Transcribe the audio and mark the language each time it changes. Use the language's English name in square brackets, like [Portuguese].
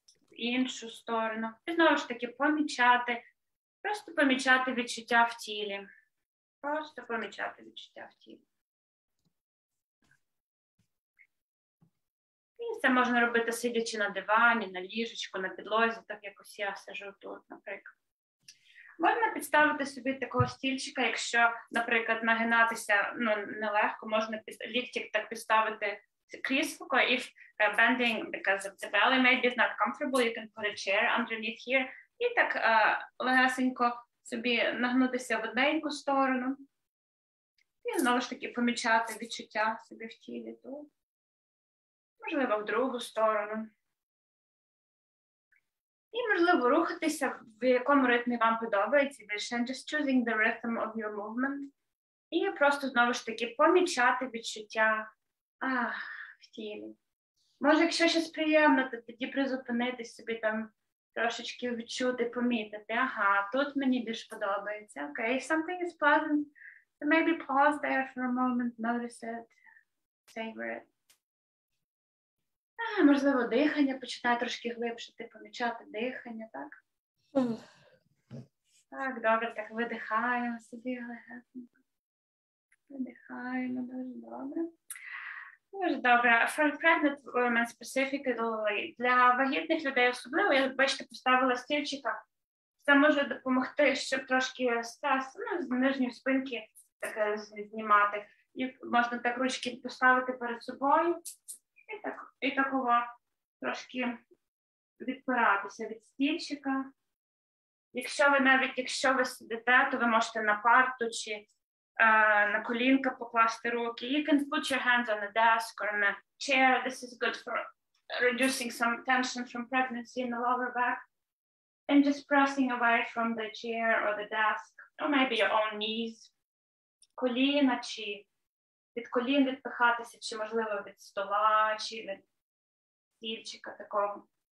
[Ukrainian] В іншу сторону. І знову ж таки помічати. Просто помічати відчуття в тілі. Просто помічати відчуття в тілі. І це можна робити сидячи на дивані, на ліжечку, на підлозі, так якось я сижу тут, наприклад. Можна підставити собі такого стільчика, якщо, наприклад, нагинатися нелегко, можна ліктик так підставити крісло, [English] if bending because of the belly maybe is not comfortable, you can put a chair underneath here. [Ukrainian] І так легесенько собі нагнутися в одну сторону. І знову ж таки помічати відчуття собі в тілі тут. Можливо, в другу сторону. І, можливо, рухатися в якому ритмі вам подобається більше. [English] And just choosing the rhythm of your movement. [Ukrainian] І просто, знову ж таки, помічати відчуття в тілі. Може, якщо щось приємне, то тоді призупинитись собі там трошечки відчути, помітити. Ага, тут мені більш подобається. [English] Okay, if something is pleasant, then maybe pause there for a moment, notice it, savor it. [Ukrainian] Можливо, дихання починає трошки глибше, помічати дихання, так? Так, добре, так видихаємо собі легенько. Видихаємо, дуже добре. Дуже добре. [English] For pregnant women specifically, [Ukrainian] для вагітних людей особливо, я, бачите, поставила стільчика. Це може допомогти, щоб трошки стрес з нижньої спинки так знімати. І можна так ручки поставити перед собою. І такого трошки відпиратися від стільчика. Якщо ви навіть, якщо ви сидите, то ви можете на парту чи на колінка покласти руки. [English] You can put your hands on a desk or on a chair. This is good for reducing some tension from pregnancy in the lower back. And just pressing away from the chair or the desk, or maybe your own knees. [Ukrainian] Коліна чи від колін відпихатися, чи можливо від стола, чи від стільчика такого.